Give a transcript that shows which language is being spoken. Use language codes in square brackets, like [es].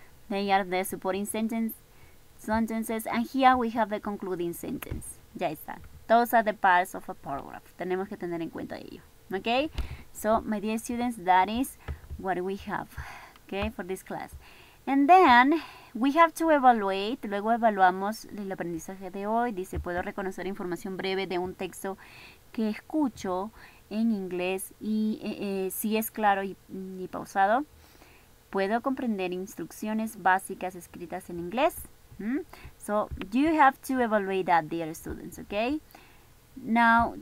[en] They are the supporting sentences, and here we have the concluding sentence. [es] Ya está. [en] Those are the parts of a paragraph. [es] Tenemos que tener en cuenta ello. [en] Okay? So, my dear students, that is what we have, okay, for this class. And then, we have to evaluate, [es] luego evaluamos el aprendizaje de hoy. Dice, puedo reconocer información breve de un texto que escucho en inglés y si es claro y pausado. Puedo comprender instrucciones básicas escritas en inglés. [en] So, you have to evaluate that, dear students, okay? Now,